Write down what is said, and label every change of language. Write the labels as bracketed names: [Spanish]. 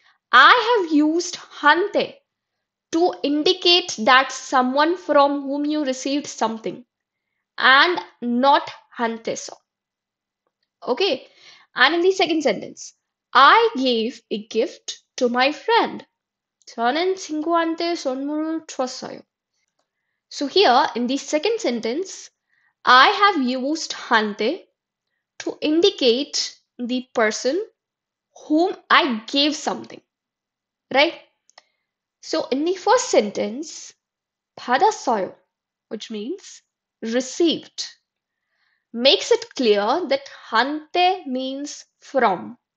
[English] I have used 한테 to indicate that someone from whom you received something. And not hanteso. Okay, and in the second sentence, I gave a gift to my friend. [Korean] 저는 친구한테 선물을 줬어요. [English] So here in the second sentence, I have used hante to indicate the person whom I gave something. Right? So in the first sentence, 받았어요, which means received, makes it clear that hante means from,